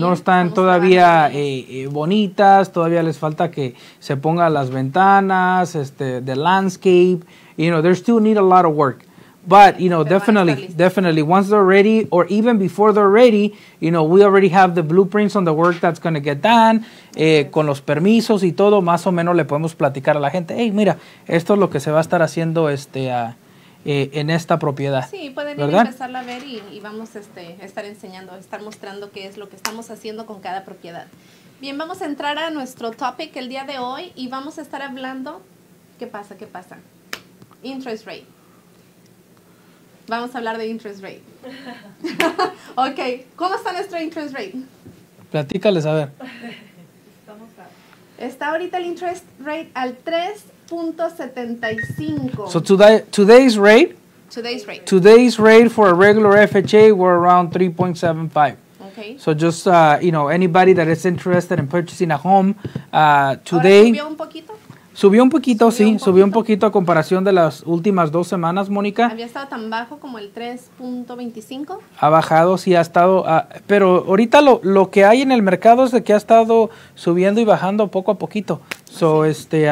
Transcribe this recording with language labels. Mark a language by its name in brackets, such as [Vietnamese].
[Spanish] No están todavía bonitas. Todavía les falta que se pongan las ventanas, [English] the landscape. You know, they still need a lot of work. But, you know, [Spanish] pero [English] definitely, once they're ready or even before they're ready, you know, we already have the blueprints on the work that's going to get done. [Spanish] Con los permisos y todo, más o menos le podemos platicar a la gente. Hey, mira, esto es lo que se va a estar haciendo en esta propiedad. Sí, pueden ¿verdad? Ir a empezarla a ver y vamos a estar enseñando, estar mostrando qué es lo que estamos haciendo con cada propiedad. Bien, vamos a entrar a nuestro topic el día de hoy y vamos a estar hablando, ¿qué pasa? Interest rate. Vamos a hablar de interest rate. Ok, ¿cómo está nuestro interest rate? Platícales, a ver. Está ahorita el interest rate al 3.75. [English] So today's rate for a regular FHA were around 3.75. Okay. So just anybody that is interested in purchasing a home today. [Spanish] ¿Subió un poquito? Subió un poquito a comparación de las últimas dos semanas, Mónica. Había estado tan bajo como el 3.25. Ha bajado, sí, ha estado. Pero ahorita lo que hay en el mercado es de que ha estado subiendo y bajando poco a poquito. [English] So [Spanish] así.